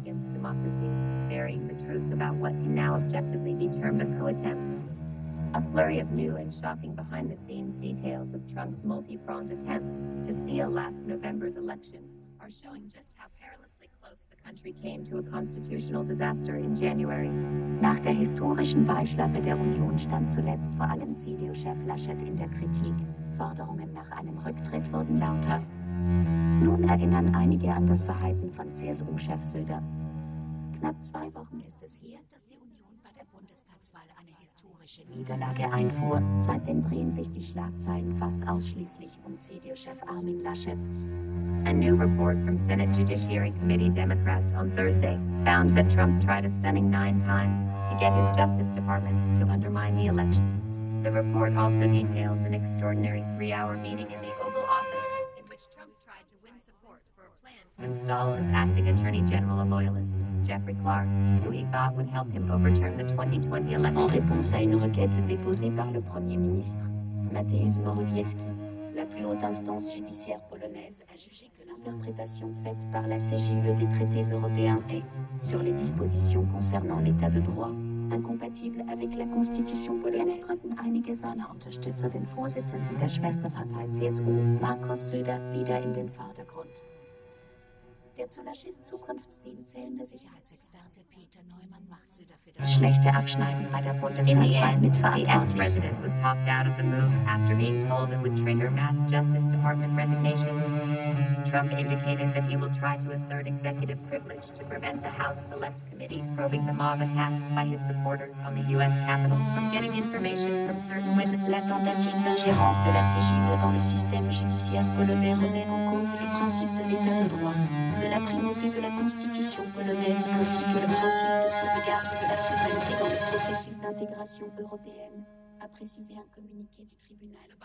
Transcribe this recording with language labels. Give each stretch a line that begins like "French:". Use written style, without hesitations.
English: democracy, burying the truth about what can now objectively be termed a co-attempt. A flurry of new and shocking behind-the-scenes details of Trump's multi-pronged attempts to steal last November's election are showing just how perilously close the country came to a constitutional disaster in January.
German: Nach der historischen Wahlschlappe der Union stand zuletzt vor allem CDU-Chef Laschet in der Kritik. Forderungen nach einem Rücktritt wurden lauter. Nun erinnern einige an das Verhalten von CSU-Chef Söder. Knapp zwei Wochen ist es her, dass die Union bei der Bundestagswahl eine historische Niederlage einfuhr. Seitdem drehen sich die Schlagzeilen fast ausschließlich um CDU-Chef Armin Laschet.
English: A new report from Senate Judiciary Committee Democrats on Thursday found that Trump tried a stunning 9 times to get his Justice Department to undermine the election. The report also details an extraordinary 3-hour meeting in the Oval Office in which Trump tried to win support for a plan to install as acting Attorney General a loyalist, Jeffrey Clark, who he thought would help him overturn the 2020 election.
French: En réponse à une requête déposée par le Premier ministre, Mateusz Morawiecki, la plus haute instance judiciaire polonaise a jugé que l'interprétation faite par la CJUE des traités européens est, sur les dispositions concernant l'état de droit, incompatible avec la Constitution polonaise.
German: Jetzt drücken einige seiner Unterstützer den Vorsitzenden der Schwesterpartei CSU, Markus Söder, wieder in den Vordergrund. Der zu Laschets Zukunftsteam zählende Sicherheitsexperte Peter Neumann macht Söder für das schlechte Abschneiden bei der Bundestagswahl mitverantwortlich.
English: The ex-president was talked out of the move after being told it would trigger mass Justice Department resignations. Trump indicated that he will try to assert executive privilege to prevent the House Select Committee probing the mob attack by his supporters on the U.S. Capitol from getting information from certain witnesses.
French: La tentative d'ingérence de la CJUE dans le système judiciaire polonais remet en cause les principes de l'état de droit, de la primauté de la Constitution polonaise ainsi que le principe de sauvegarde de la souveraineté dans le processus d'intégration européenne, a précisé un communiqué du tribunal.